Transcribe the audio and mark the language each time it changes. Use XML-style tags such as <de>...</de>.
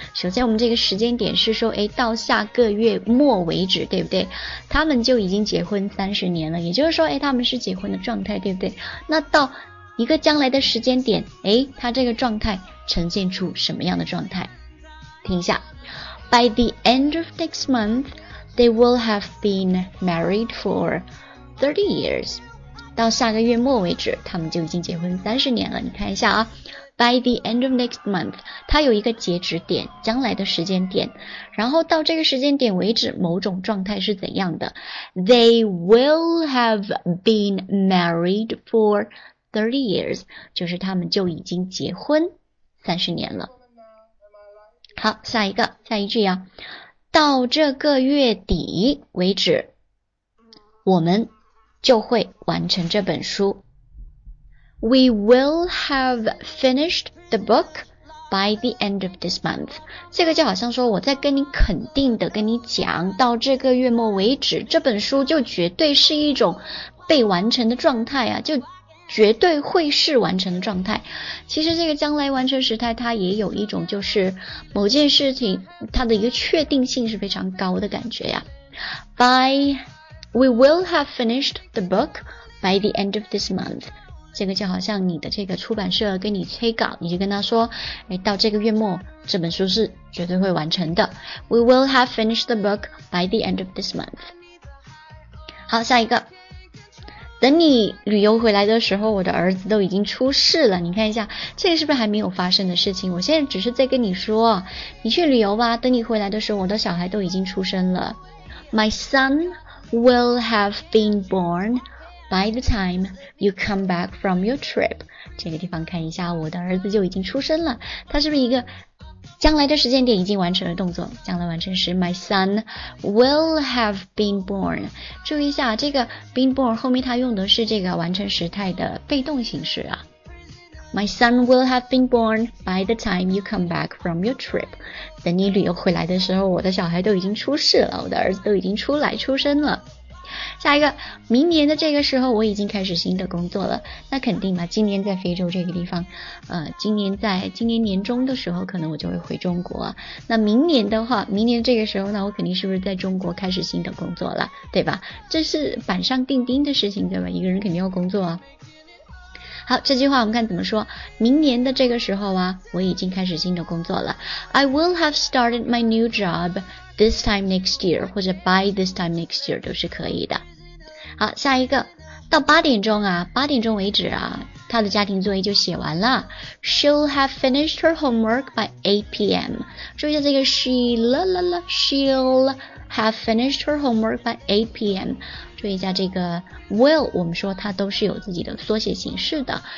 <zh>首先我们这个时间点是说，诶，到下个月末为止，对不对？他们就已经结婚30年了，也就是说，诶，他们是结婚的状态，对不对？那到一个将来的时间点，诶，他这个状态呈现出什么样的状态？听一下。</zh> <en>By the end of next month, they will have been married for 30 years.</en> <zh>到下个月末为止，他们就已经结婚30年了。你看一下啊 ，</zh> <en>By the end of next month,</en> <zh>它有一个截止点，将来的时间点。然后到这个时间点为止，某种状态是怎样的 ？</zh> <en>They will have been married for 30 years.</en> <zh>就是他们就已经结婚30年了。好，下一句呀、啊。到这个月底为止，我们就会完成这本书。</zh> <en>We will have finished the book by the end of this month.</en> <zh>这个就好像说我在跟你肯定的跟你讲，到这个月末为止，这本书就绝对是一种被完成的状态啊，就绝对会是完成的状态。其实这个将来完成时态它也有一种就是某件事情它的一个确定性是非常高的感觉呀。</zh> <en>We will have finished the book by the end of this month.</en> <zh>这个就好像你的这个出版社跟你催稿，你就跟他说、哎、到这个月末这本书是绝对会完成的。</zh> <en>We will have finished the book by the end of this month.</en> <zh>好，下一个。等你旅游回来的时候，我的儿子都已经出世了。你看一下，这个是不是还没有发生的事情？我现在只是在跟你说，你去旅游吧，等你回来的时候，我的小孩都已经出生了。</zh> <en>My son will have been born by the time you come back from your trip.</en> <zh>这个地方看一下，我的儿子就已经出生了。他是不是一个将来的时间点已经完成了动作，将来完成时</zh> <en>My son will have been born。</en> <zh>注意一下这个 been born 后面它用的是这个完成时态的被动形式啊。</zh> <en>My son will have been born by the time you come back from your trip。</en> <zh>等你旅游回来的时候，我的小孩都已经出世了，我的儿子都已经出来出生了。下一个，明年的这个时候我已经开始新的工作了。那肯定嘛，今年在非洲这个地方，今年年中的时候可能我就会回中国。那明年的话，明年这个时候呢，我肯定是不是在中国开始新的工作了，对吧？这是板上钉钉的事情，对吧？一个人肯定要工作啊。好，这句话我们看怎么说。明年的这个时候啊，我已经开始新的工作了。</zh> <en>I will have started my new job this time next year,</en> <zh>或者</zh> <en>by this time next year</en> <zh>都是可以的。好，下一个，到八点钟为止啊，他的家庭作业就写完了。</zh> <en>She'll have finished her homework by 8 p.m.</en> <zh>注意一下这个</zh> <en>she'll have finished her homework by 8 p.m.</en> <zh>注意一下这个 will， 我们说它都是有自己的缩写形式的。</zh>